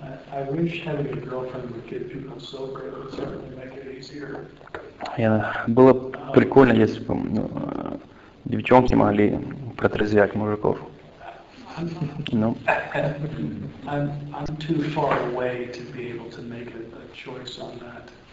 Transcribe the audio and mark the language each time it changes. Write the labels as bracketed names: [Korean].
[English] I wish having a girlfriend would get people sober. It would certainly make it easier. [Russian] Было прикольно, если бы девчонки могли протрезвять мужиков. [English] I'm too far away to be able to make a choice on that.